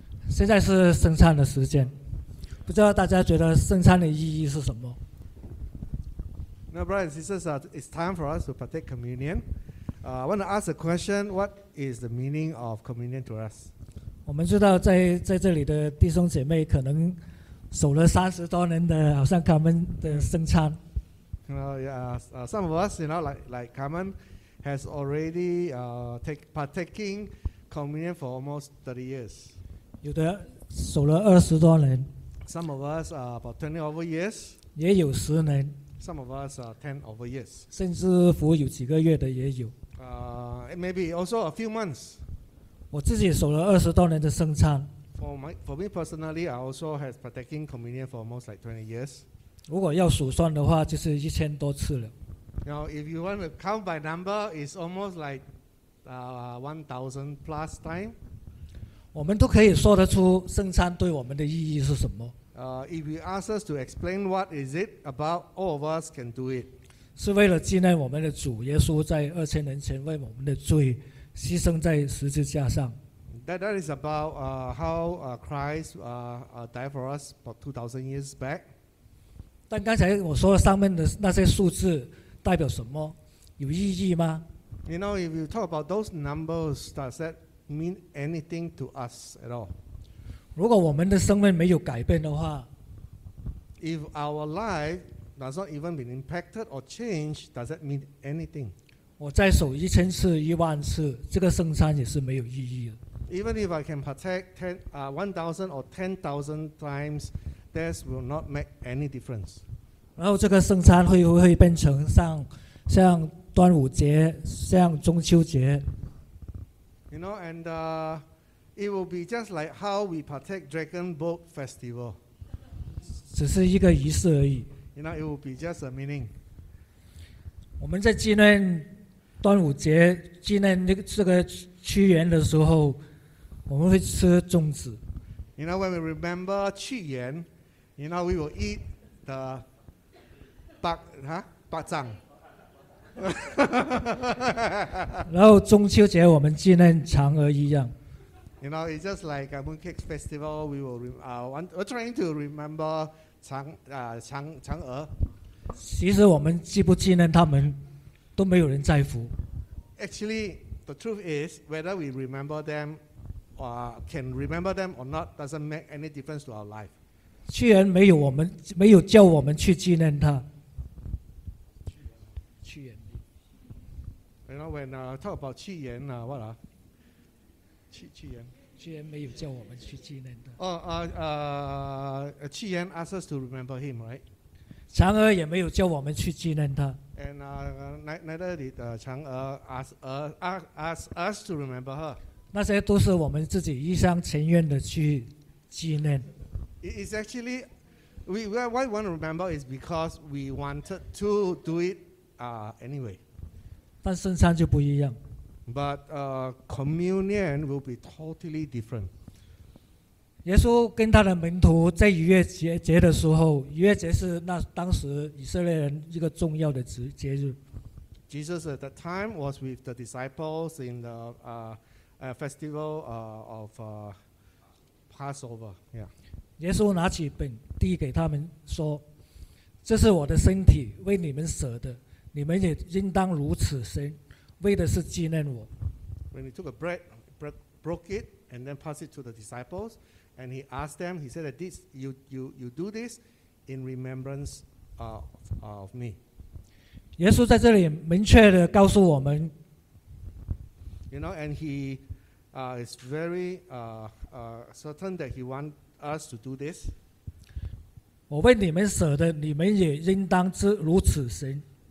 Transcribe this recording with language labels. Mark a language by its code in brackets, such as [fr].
[zh] 现在是圣餐的时间，不知道大家觉得圣餐的意义是什么？ [en] Now, brothers and sisters, it's time for us to partake communion. I want to ask a question: What is the meaning of communion to us? [zh] 我们知道在这里的弟兄姐妹可能守了三十多年的，好像他们的圣餐。 [en] Some of us, like Carmen, has already partaking communion for almost 30 years. [zh] 有的守了二十多年 [en] ，Some of us are about 20 over years， [zh] 也有十年 [en] ，Some of us are 10 over years， [zh] 甚至服有几个月的也有 [en] ，Maybe also a few months。 [zh] 我自己守了二十多年的圣餐 [en] ，For me personally, I also has partaking communion for almost like 20 years。 [zh] 如果要数算的话，就是一千多次了。 [en] Now, if you want to count by number, it's almost like 1,000 plus time。 [zh] 我们都可以说得出圣餐对我们的意义是什么。 [en] If you ask us to explain what is it about, all of us can do it. [zh] 是为了纪念我们的主耶稣在二千年前为我们的罪牺牲在十字架上。 [en] That is about how Christ died for us about 2,000 years back. [zh] 但刚才我说上面的那些数字代表什么？有意义吗 [en] ？You know, if you talk about those numbers, does that mean anything to us at all? [zh] 如果我们的生命没有改变的话 [en] ，If our life does not even been impacted or changed, does that mean anything? [zh] 我再守一千次、一万次，这个圣餐也是没有意义的。 [en] Even if I can partake 1,000 or 10,000 times, this will not make any difference. [zh] 然后这个圣餐会不会变成像端午节、像中秋节？ [en] You know, and it will be just like how we partake Dragon Boat Festival. [zh] 只是一个仪式而已。 [en] You know, it will be just a meaning. [zh] 我们在纪念端午节、纪念这个屈原的时候，我们会吃粽子。 [en] You know, when we remember 屈原, you know, we will eat the 八掌。 [zh] 然后中秋节我们纪念嫦娥一样 [en] You know, it's just like a mooncake festival. We will we're trying to remember 嫦娥。 [zh] 其实我们记不纪念他们，都没有人在乎。 [en] Actually, the truth is whether we remember them, can remember them or not, doesn't make any difference to our life. [zh] 屈原没有叫我们去纪念他。 [en] You know, when talk about 屈原啊 ，what 啊？ [zh] 屈原，屈原没有叫我们去纪念的。 [en] 屈原 asked us to remember him, right? [zh] 嫦娥也没有叫我们去纪念他。 [en] And neither did 嫦娥 ask us to remember her. [zh] 那些都是我们自己一厢情愿的去纪念。 [en] It's actually, why we want to remember is because we wanted to do it, anyway. [zh] 但圣餐就不一样。 [en] But communion will be totally different. [zh] 耶稣跟他的门徒在逾越节的时候，逾越节是那当时以色列人一个重要的节日。 [en] Jesus at that time was with the disciples in the festival of Passover. Yeah. [zh] 耶稣拿起饼递给他们说，这是我的身体为你们舍的，你们也应当如此行，为的是纪念我。 [en] When he took a bread, broke it and then passed it to the disciples, and he asked them, he said that this, you do this in remembrance of me. [zh] 耶稣在这里明确地告诉我们， [en] you know, and he is very certain that he want us to do this. [zh] 我为你们舍的，你们也应当如此行。